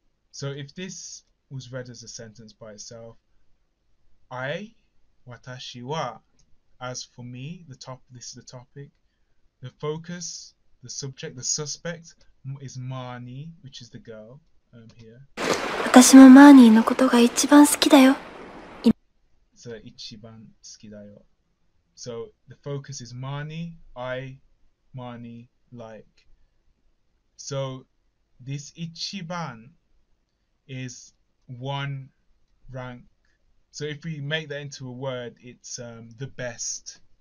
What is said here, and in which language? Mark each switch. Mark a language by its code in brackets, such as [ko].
[en] So if this was read as a sentence by itself, I, watashi wa, as for me, the top, this is the topic, the focus, the subject, the suspect is Marnie, which is the girl, here. [ja] 私もマーニーのことが一番好きだよ。 So, ichiban suki da yo. [en] So the focus is Marnie, I, Marnie, like. So this ichiban is one rank. So if we make that into a word, it's the best.